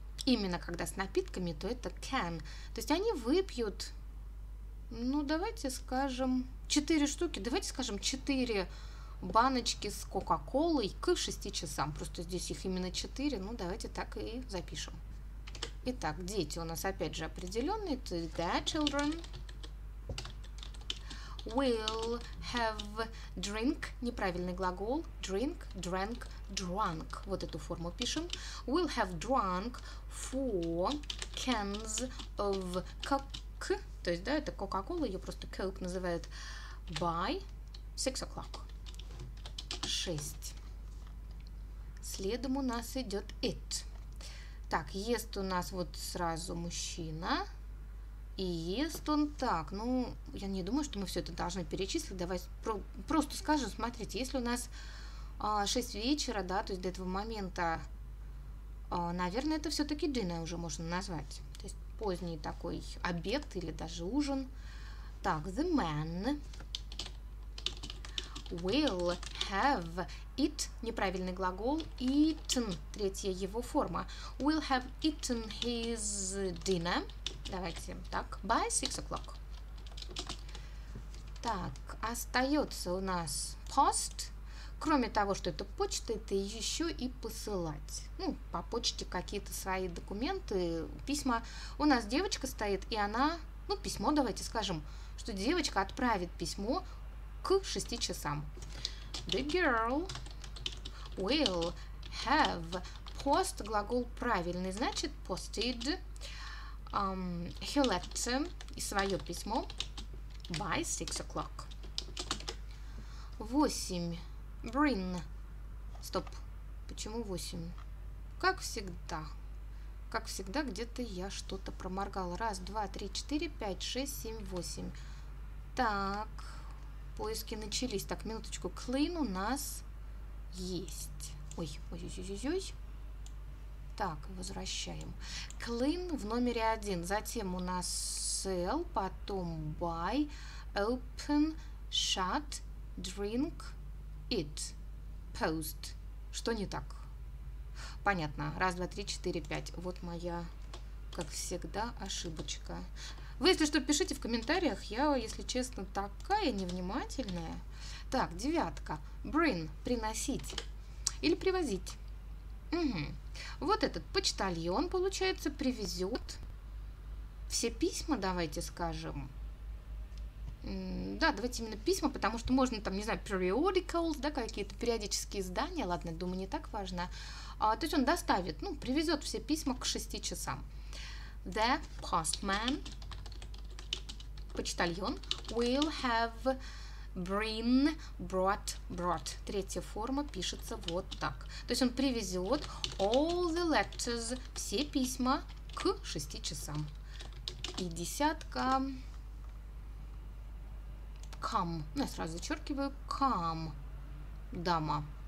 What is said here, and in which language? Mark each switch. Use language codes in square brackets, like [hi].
[ru] Именно когда с напитками, то это can. То есть они выпьют, ну, давайте скажем, 4 штуки. Давайте скажем, 4 баночки с кока-колой к 6 часам. Просто здесь их именно 4. Ну, давайте так и запишем. Итак, дети у нас опять же определенные. То есть [en] their children will have drink. [ru] Неправильный глагол. [en] Drink, drank, drunk. [ru] Вот эту форму пишем. [en] Will have drunk 4 cans of Coke. [ru] То есть, да, это Coca-Cola, ее просто Coke называют. [en] By 6 o'clock. [ru] 6. Следом у нас идет it. Так, ест у нас вот сразу мужчина. И ест он так. Ну, я не думаю, что мы все это должны перечислить. Давай просто скажем, смотрите, если у нас 6 вечера, да, то есть до этого момента, наверное, это все-таки дженой уже можно назвать. То есть поздний такой обед или даже ужин. Так, [en] the man will have it, [ru] неправильный глагол, [en] eaten, [ru] третья его форма. [en] Will have eaten his dinner. [ru] Давайте так, [en] by 6 o'clock. [ru] Так, остается у нас post. Кроме того, что это почта, это еще и посылать. Ну, по почте какие-то свои документы, письма. У нас девочка стоит, и она, ну, письмо, давайте скажем, что девочка отправит письмо к 6 часам. [en] The girl will have post, [ru] глагол правильный, значит, [en] posted her letter, [ru] и свое письмо [en] by 6 o'clock. [ru] 8. Bring. Стоп. Почему 8? Как всегда. Как всегда, где-то я что-то проморгала. Раз, два, три, четыре, пять, шесть, семь, восемь. Так. Поиски начались. Так, минуточку. Клин у нас есть. Ой, ой-ой-ой-ой. Так, возвращаем. Клин в номере один. Затем у нас sell, потом buy, open, shut, drink, eat, post. Что не так? Понятно. Раз, два, три, четыре, пять. Вот моя, как всегда, ошибочка. Вы, если что, пишите в комментариях. Я, если честно, такая невнимательная. Так, девятка. Bring. Приносить. Или привозить. Вот этот почтальон, получается, привезет все письма, давайте скажем. Да, давайте именно письма, потому что можно там, не знаю, periodicals, да, какие-то периодические издания. Ладно, думаю, не так важно. То есть он доставит, ну, привезет все письма к 6 часам. [en] The postman, [ru] почтальон, [en] will have bring, brought. [ru] Третья форма пишется вот так. То есть он привезет [en] all the letters, [ru] все письма к 6 часам. И десятка. Come. Ну, я сразу зачеркиваю. Come. Дама.